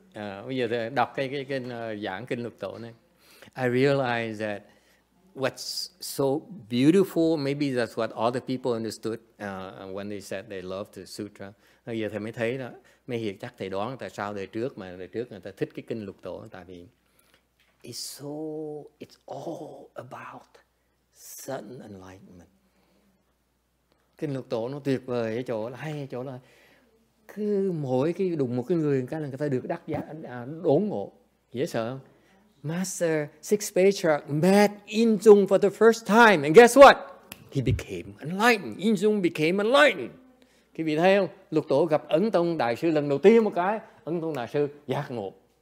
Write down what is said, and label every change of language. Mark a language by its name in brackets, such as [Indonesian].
[Vietnamese] Bây giờ đọc cái giảng kinh lục tổ này. [English] I realize that what's so beautiful, maybe that's what all the people understood when they said they loved the sutra. [Vietnamese] Giờ thầy mới thấy đó, mới hiểu, chắc thầy đoán tại sao đời trước người ta thích cái kinh lục tổ, tại vì [English] it's all about sudden enlightenment. [Vietnamese] Kinh lục tổ nó tuyệt vời ở chỗ là hay ở chỗ là cứ mỗi cái đụng một cái người cái là người ta được đắc giác đốn ngộ, dễ sợ không? [English] Master 6th Patriarch met Yin Zung for the first time, and guess what? He became enlightened. Yin Zung became enlightened. [Vietnamese] Quý vị thấy không? Lục tổ gặp Ấn Tông Đại sư lần đầu tiên một cái, Ấn Tông Đại sư giác ngộ.